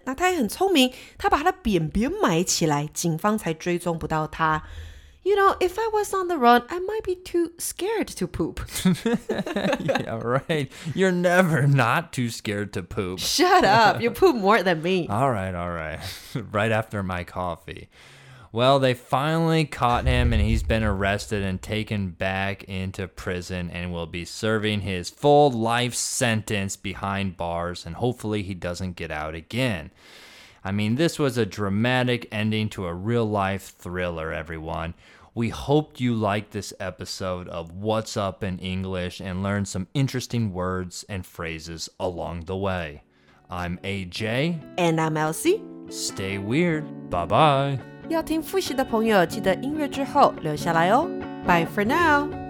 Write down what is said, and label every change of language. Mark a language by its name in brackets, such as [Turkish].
[Chinese] 那他也很聪明，他把他的便便埋起来，警方才追踪不到他。 [English] You know, if I was on the run, I might be too scared to poop. Yeah, right. You're never not too scared to poop. Shut up. You poop more than me. All right, all right. Right after my coffee. Well, they finally caught him and he's been arrested and taken back into prison and will be serving his full life sentence behind bars and hopefully he doesn't get out again. I mean, this was a dramatic ending to a real life thriller, everyone. We hope you liked this episode of What's Up in English and learned some interesting words and phrases along the way. I'm AJ. And I'm LC. Stay weird. Bye-bye. [Chinese] 要听复习的朋友，记得音乐之后留下来哦。 [English] Bye for now.